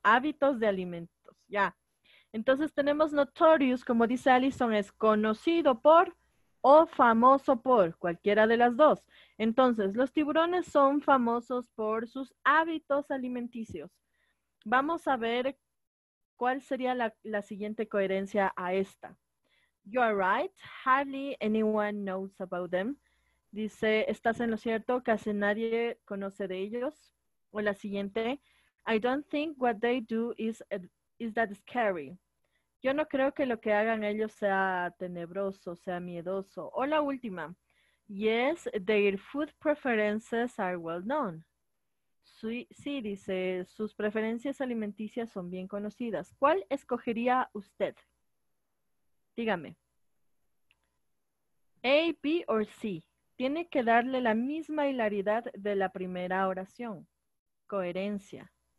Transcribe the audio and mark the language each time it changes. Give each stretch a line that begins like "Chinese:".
Spanish: Hábitos de alimentos, ya. Entonces tenemos notorious, como dice Allison, es conocido por o famoso por, cualquiera de las dos. Entonces, los tiburones son famosos por sus hábitos alimenticios. Vamos a ver cuál sería la siguiente coherencia a esta.
English: You are right, hardly anyone knows about them.
Spanish: Dice, estás en lo cierto, casi nadie conoce de ellos. O la siguiente,
English: I don't think what they do is that scary.
Spanish: Yo no creo que lo que hagan ellos sea tenebroso, sea miedoso. O la última,
English: yes, their food preferences are well known.
Spanish: Sí, dice, sus preferencias alimenticias son bien conocidas. ¿Cuál escogería usted? Dígame. A, B o C. Tiene que darle la misma hilaridad de la primera oración. Coherencia.